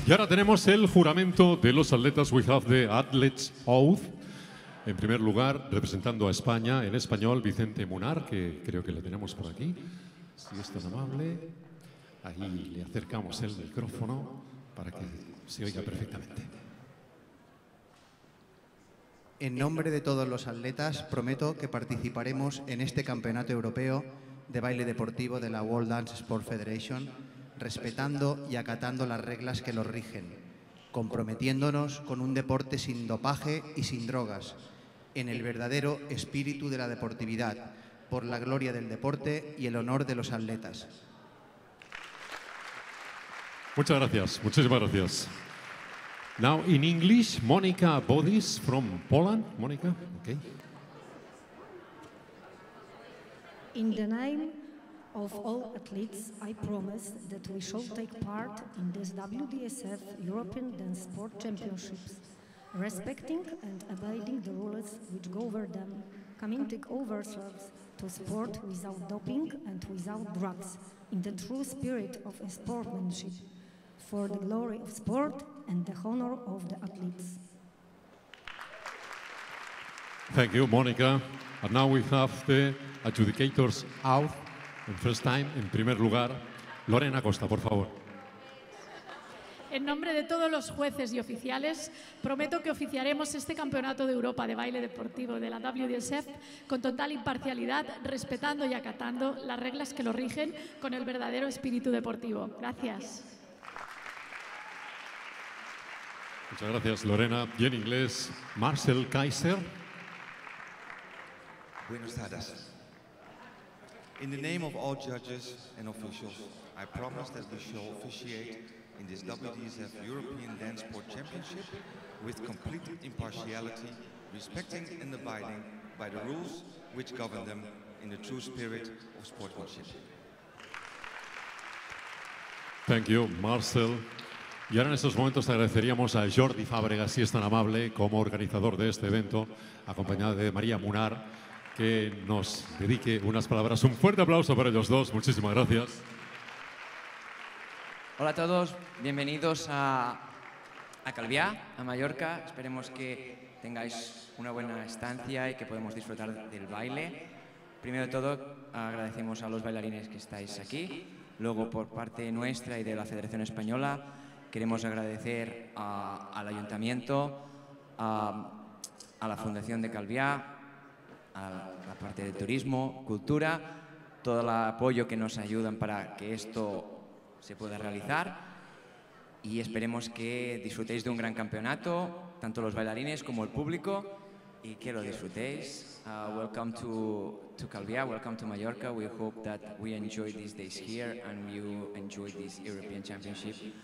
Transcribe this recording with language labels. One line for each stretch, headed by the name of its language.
Spanish: Y ahora tenemos el juramento de los atletas.
English: We have the athletes' oath.
Spanish: En primer lugar, representando a España, en español, Vicente Munar, que creo que lo tenemos por aquí. Si es tan amable, ahí le acercamos el micrófono para que se oiga perfectamente. En nombre de todos los atletas, prometo que participaremos en este campeonato europeo de baile deportivo de la World Dance Sport Federation, respetando y acatando las reglas que los rigen, comprometiéndonos con un deporte sin dopaje y sin drogas, en el verdadero espíritu de la deportividad, por la gloria del deporte y el honor de los atletas. Muchas gracias, muchísimas gracias.
English: Now in English, Monica Bodis from Poland. Monica, okay. In the name of all athletes, I promise that we shall take part in this WDSF European Dance Sport Championships, respecting and abiding the rules which govern them, committing ourselves to sport without doping and without drugs, in the true spirit of sportsmanship, for the glory of sport and the honor of the athletes. Thank you, Monica. And now we have the adjudicators out. In first time,
Spanish: in primer lugar, Lorena Costa, por favor. En nombre de todos los jueces y oficiales, prometo que oficiaremos este Campeonato de Europa de Baile Deportivo de la WDSF con total imparcialidad, respetando y acatando las reglas que lo rigen con el verdadero espíritu deportivo. Gracias. Muchas gracias, Lorena. Y en inglés, Marcel Kaiser. Buenas tardes.
English: In the name of all judges and officials, I promise that we shall officiate in this WDSF European Dance Sport Championship with complete impartiality, respecting and abiding by the rules which govern them in the true spirit of sportsmanship. Thank you, Marcel.
Spanish: Y ahora en estos momentos agradeceríamos a Jordi Fàbregas, si es tan amable, como organizador de este evento, acompañado de María Munar, que nos dedique unas palabras. Un fuerte aplauso para ellos dos. Muchísimas gracias. Hola a todos. Bienvenidos a Calvià, a Mallorca. Esperemos que tengáis una buena estancia y que podamos disfrutar del baile. Primero de todo, agradecemos a los bailarines que estáis aquí. Luego, por parte nuestra y de la Federación Española, queremos agradecer al Ayuntamiento, a la Fundación de Calvià, a la parte de turismo, cultura, todo el apoyo que nos ayudan para que esto se pueda realizar. Y esperemos que disfrutéis de un gran campeonato, tanto los bailarines como el público, y que lo disfrutéis.
English: Welcome to Calvià, welcome to Mallorca. We hope that we enjoy these days here and you enjoy this European Championship.